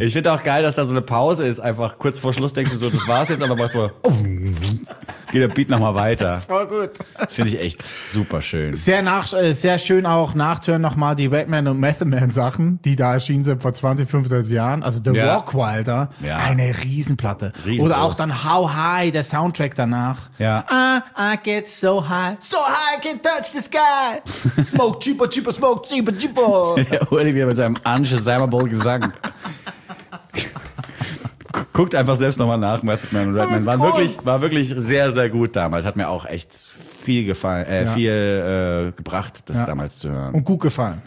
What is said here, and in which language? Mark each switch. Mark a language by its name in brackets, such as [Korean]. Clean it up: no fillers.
[German] Ich finde auch geil, dass da so eine Pause ist. Einfach kurz vor Schluss denkst du so, das war's jetzt, aber machst du so, geht der Beat nochmal weiter. Voll gut. Finde ich echt super schön. Sehr schön auch nachzuhören nochmal die Redman und Method Man Sachen, die da erschienen sind vor 20, 25 Jahren. Also The Walk Wilder, eine Riesenplatte. Riesenbruch. Oder auch dann How High, der Soundtrack danach. Ja. [English] I get so high, so high I can touch the sky. Smoke cheaper, cheaper, smoke cheaper, cheaper. [German] Der Uli wieder mit seinem unshazamable Gesang. Guckt einfach selbst nochmal nach, Method Man und Redman. War wirklich sehr, sehr gut damals. Hat mir auch echt viel gefallen, gebracht, das damals zu hören. Und gut gefallen.